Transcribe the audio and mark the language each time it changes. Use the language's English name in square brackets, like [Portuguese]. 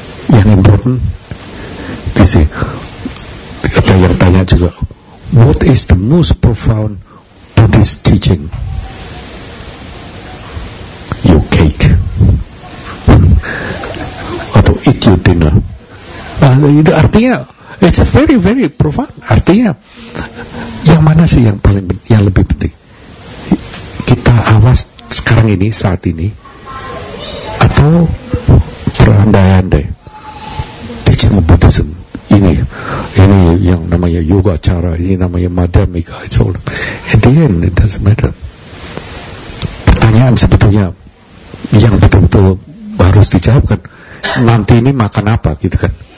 [English] Yang important, this is, [Indonesian] ada yang tanya juga, [English] what is the most profound Buddhist teaching? Your cake. Atau eat your dinner. [Indonesian] Itu artinya, [English] it's a very very profound. [Indonesian] Artinya, yang mana sih yang paling yang lebih penting? Kita awas sekarang ini, saat ini, atau berandai-andai, teaching Buddhism ini yang namanya yoga cara, ini namanya madhyamika. [English] It's all. At the end, it doesn't matter. [Indonesian] Pertanyaan sebetulnya yang betul-betul harus dijawab kan, nanti ini makan apa gitu kan?